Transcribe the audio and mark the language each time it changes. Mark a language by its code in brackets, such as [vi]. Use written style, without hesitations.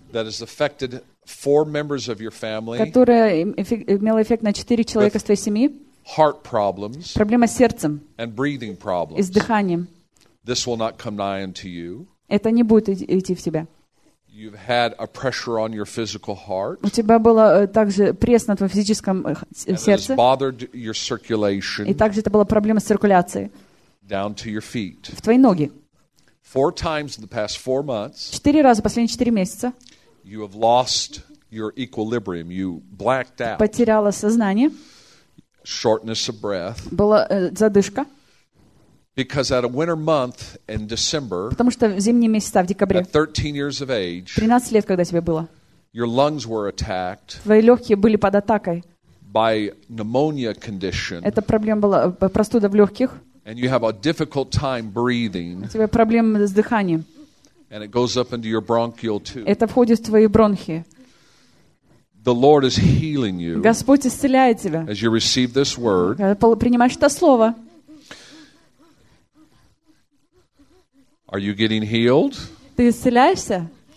[en] That has affected four members of your family. [ru] Которое имело эффект на 4 человека из твоей семьи. [en] Heart problems. [ru] Проблема с сердцем. [en] And breathing problems. [ru] И с дыханием. [en] This will not come nigh unto you. [ru] Это не будет идти в тебя. [en] You've had a pressure on your physical heart. [ru] У тебя было также пресс на твоем физическом сердце. [en] And it has bothered your circulation. [ru] И также это была проблема с циркуляцией. [en] Down to your feet. [ru] В твои ноги. [en] Four times in the past 4 months. [ru] 4 раза последние 4 месяца. [en] You have lost your equilibrium. You blacked out. [ru] Потеряла сознание. [en] Shortness of breath. [ru] Была задышка. [en] Because at a winter month in December. [ru] Потому что в зимние месяца в декабре. [en] At 13 years of age. [ru] 13 лет, когда тебе было. [en] Your lungs were attacked. [ru] Твои легкие были под атакой. [en] By pneumonia condition. [ru] Это проблема была простуда в легких. [en] And you have a difficult time breathing. [ru] У тебя проблемы с дыханием. [en] And it goes up into your bronchial too. [ru] Это входит в твои бронхи. [en] The Lord is healing you. [ru] Господь исцеляет тебя. [en] As you receive this word. [ru] Принимаешь это слово. [en] Are you getting healed? [ru] Ты исцеляешься?